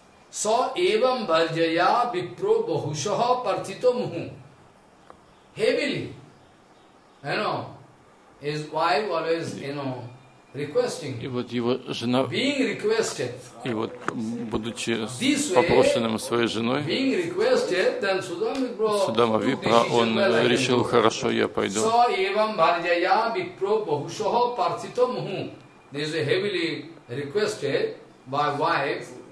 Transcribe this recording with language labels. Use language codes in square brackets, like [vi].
[sa] Са эвам бхарджая випро бахушаха партито муху. [en] Heavily, you know, his wife always, you know, requesting. [ru] И вот его жена. [en] Being requested. [ru] И вот будучи попрошенным своей женой. [en] Being requested, then [ru] Судама Випра, он решил: хорошо, я пойду. [sa] Са эвам бхарджая випро бахушаха партито муху. [en] This is heavily requested by wife.